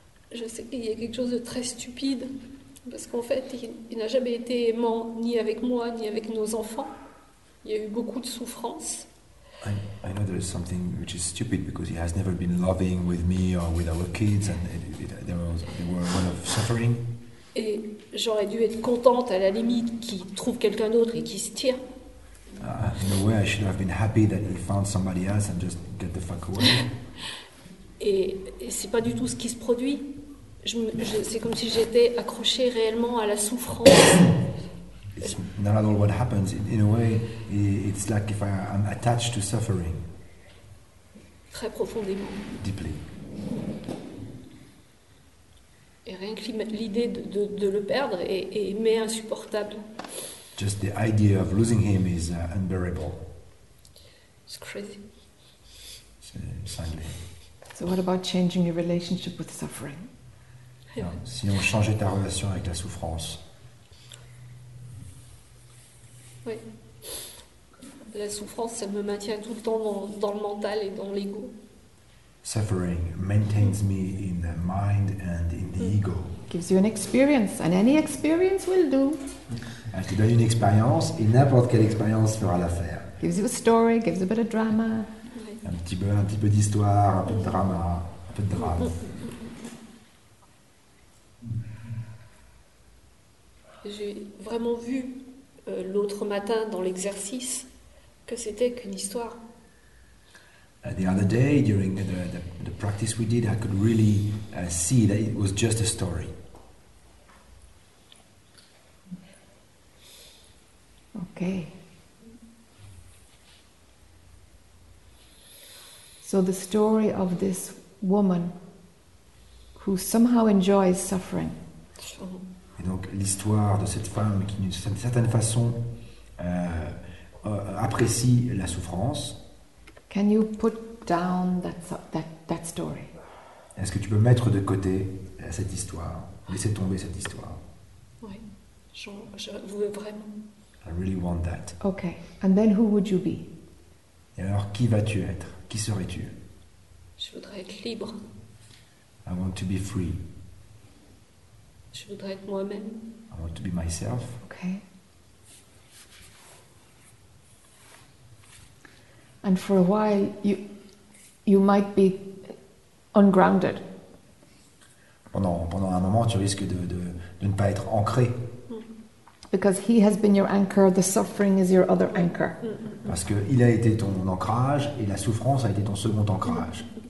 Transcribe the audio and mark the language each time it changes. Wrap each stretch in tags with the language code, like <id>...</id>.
<fr>Je sais qu'il y a quelque chose de très stupide, Parce qu'en fait, il n'a jamais été aimant ni avec moi ni avec nos enfants. Il y a eu beaucoup de souffrance.</fr> <en>I know there is something which is stupid because he has never been loving with me or with our kids, and there were a lot of suffering.</en> <fr>Et j'aurais dû être contente à la limite qu'il trouve quelqu'un d'autre et qu'il se tire.</fr> <en>In a way, I should have been happy that he found somebody else and just get the fuck away.</en> <fr>Et c'est pas du tout ce qui se produit. C'est comme si j'étais accrochée réellement à la souffrance.</fr> <en>It's not at all what happens. In a way, it's like if I'm attached to suffering.</en> <fr>Très profondément.</fr> <en>Deeply.</en> <fr>Et rien que l'idée de le perdre est insupportable.</fr> <en>Just the idea of losing him is unbearable. It's crazy. Sadly. So what about changing your relationship with suffering?</en> <fr>Si on changeait ta relation avec la souffrance. Oui. La souffrance, ça me maintient tout le temps dans le mental et dans l'ego.</fr> <en>Suffering maintains me in the mind and in the ego. Gives you an experience, and any experience will do.</en> <fr>Elle te donne une expérience, et n'importe quelle expérience fera l'affaire.</fr> <en>Gives you a story, gives a bit of drama.</en> <fr>Oui. Un petit peu d'histoire, un peu de drama, un peu de drame. J'ai vraiment vu l'autre matin dans l'exercice que c'était qu'une histoire.</fr> <en>The other day during the practice we did, I could really see that it was just a story. Okay. So the story of this woman who somehow enjoys suffering.</en> <fr>Et donc l'histoire de cette femme qui d'une certaine façon apprécie la souffrance.</fr> <en>Can you put down that story?</en> <fr>Est-ce que tu peux mettre de côté cette histoire, laisser tomber cette histoire? Oui, je veux vraiment.</fr> <en>I really want that. Okay, and then who would you be?</en> <fr>Et alors qui vas-tu être? Qui serais-tu? Je voudrais être libre.</fr> <en>I want to be free.</en> <fr>Je voudrais être moi-même.</fr> <en>I want to be myself. Okay. And for a while, you might be ungrounded.</en> <fr>Pendant un moment, tu risques de ne pas être ancré.</fr> <en>Because he has been your anchor, the suffering is your other anchor.</en> <fr>Parce que il a été ton ancrage et la souffrance a été ton second ancrage.</fr>